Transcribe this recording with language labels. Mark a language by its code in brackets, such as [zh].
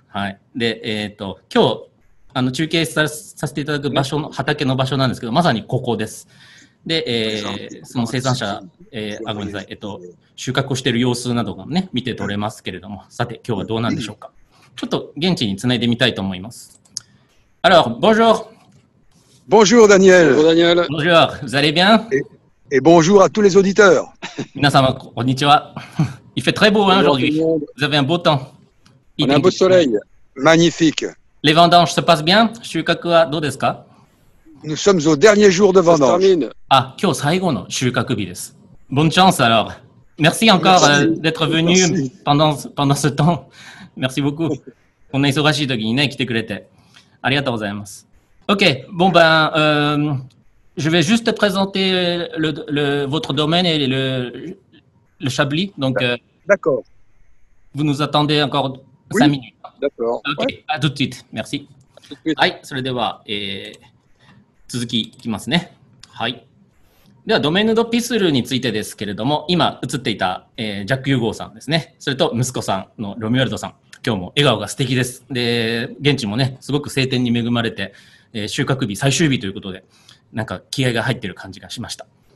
[ja] はい、で、今日中継させていただく場所の畑の場所なんですけど、まさにここです。で、その生産者、ごめんなさい、収穫をしている様子などが、ね、見て取れますけれども、さて今日はどうなんでしょうか。ちょっと現地につないでみたいと思います。 [fr] Alors, bonjour. Bonjour, Daniel. Bonjour, Daniel. Bonjour, vous allez bien? Et bonjour à tous les auditeurs. [ja] Minasama, konnichiwa. [fr] Il fait très beau, hein, aujourd'hui. Vous avez un beau temps. On a un beau soleil. Magnifique. Les vendanges se passent bien? [ja] Shukaku wa dou desu ka? [fr] Nous sommes au dernier jour de vendange. Ça se termine. [ja] Ah, kyou saigo no shukakubi desu. [fr] Bonne chance, alors. [ja] Merci encore d'être venu pendant ce temps. [fr] Merci beaucoup. [ja] On a isogashi toki ni ne, kite kurete. ありがとうございます。 OK。 [fr] Bon ben, je vais juste présenter votre domaine et le Chablis. Donc, d'accord. Vous nous attendez encore 5 oui. minutes. D'accord. OK. Ouais. À tout de suite. Merci. Suite. [ja] はい、それでは、続きいきますね。はい。では、ドメヌド・ピスルについてですけれども、今映っていた、ジャック・ユーゴーさんですね。それと息子さんのロミュアルドさん。今日も笑顔が素敵です。で、現地もね、すごく晴天に恵まれて、収穫日最終日ということで、なんか気合が入ってる感じがしました。